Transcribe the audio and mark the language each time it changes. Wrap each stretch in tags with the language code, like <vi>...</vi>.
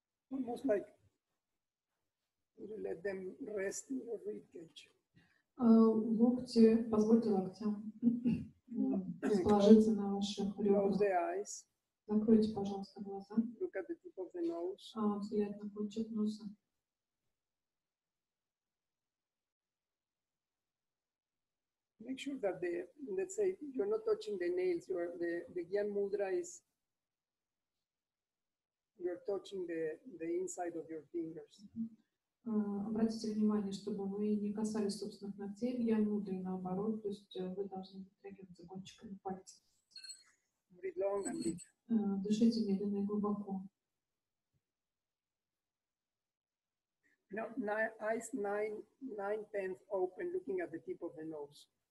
<en>Almost like you let them rest in your rib cage.</en> <ru>Локти, позвольте локтям расположиться на ваших ребрах.</ru> <en>Close the eyes.</en> <ru>Закройте, пожалуйста, глаза.</ru> <en>Look at the tip of the nose.</en> <ru>Взгляд на кончик носа.</ru> <en>Make sure that the, let's say, you're not touching the nails, you are, the Gyan Mudra is, you're touching the inside of your fingers.</en> <ru>Обратите внимание, чтобы вы не касались собственных ногтей, Гьян Мудры, наоборот, то есть вы должны притягивать за кончиками пальца.</ru> <en>Breathe long and deep.</en> <ru>Дышите медленно и глубоко.</ru> <en>Now, eyes 9/10 open, looking at the tip of the nose.</en>